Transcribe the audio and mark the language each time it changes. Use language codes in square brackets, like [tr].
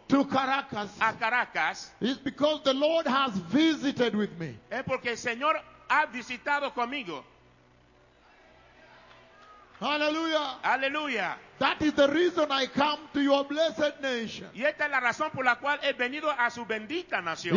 [en] To Caracas. [es] A Caracas. [en] Is because the Lord has visited with me. [es] Es porque el Señor ha visitado conmigo. [en] Hallelujah. Hallelujah. That is the reason I come to your blessed nation. [es] Y esta es la razón por la cual he venido a su bendita nación.